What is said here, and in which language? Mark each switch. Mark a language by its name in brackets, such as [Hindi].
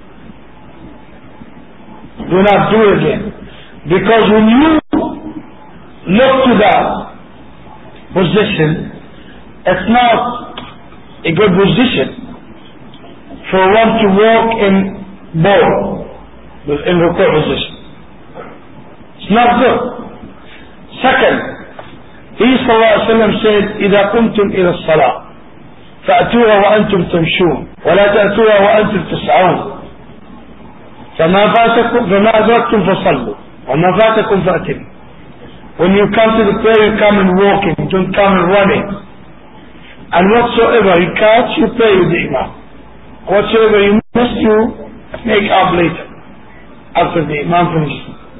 [English] Do not do it again. Because when you look to that position, it's not a good position for one to walk in bow, in ruku' position. It's not good. Second, he sallallahu alayhi wa sallam said, [Arabic] إِذَا كُنْتُمْ إِلَى الصَّلَاةِ فَأْتُوهَا وَأَنْتُمْ تَمْشُونَ وَلَا تَأْتُوهَا وَأَنْتُمْ تَسْعَوْنَ فَمَا فَاتَكُمْ فَصَلُّوا وَمَا فَاتَكُمْ فَأْتِمُوا. [English] When you come to the prayer, you come in walking, don't come in running. And whatsoever you catch, you pray with the imam. Whatsoever you miss, you make up later, after the imam finishes.